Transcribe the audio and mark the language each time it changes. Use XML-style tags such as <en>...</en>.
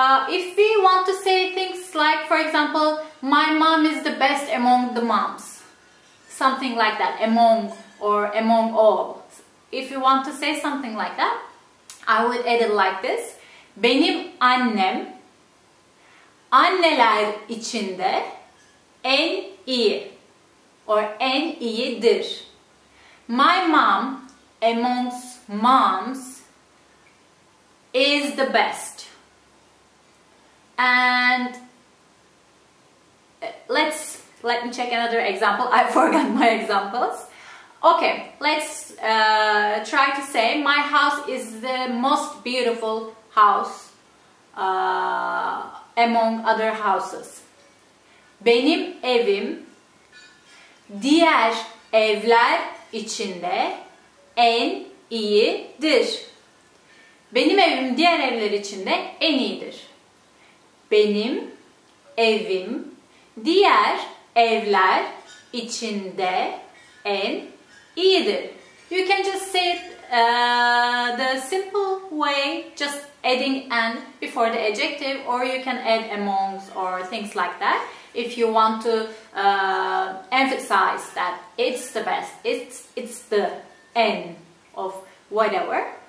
<en>If we want to say things like, for example, my mom is the best among the moms, something like that, among or among all. If you want to say something like that, I would add it like this.</en> <tr>Benim annem anneler içinde en iyi</tr> <en>or</en> <tr>en iyidir.</tr> <en>My mom amongst moms is the best. And let me check another example. I forgot my examples. Okay, let's try to say my house is the most beautiful house among other houses.</en> <tr>Benim evim diğer evler içinde en iyidir. Benim evim diğer evler içinde en iyidir. Benim evim diğer evler içinde en iyidir.</tr> <en>You can just say it the simple way, just adding an before the adjective, or you can add amongs or things like that if you want to emphasize that it's the best, it's the en of whatever.</en>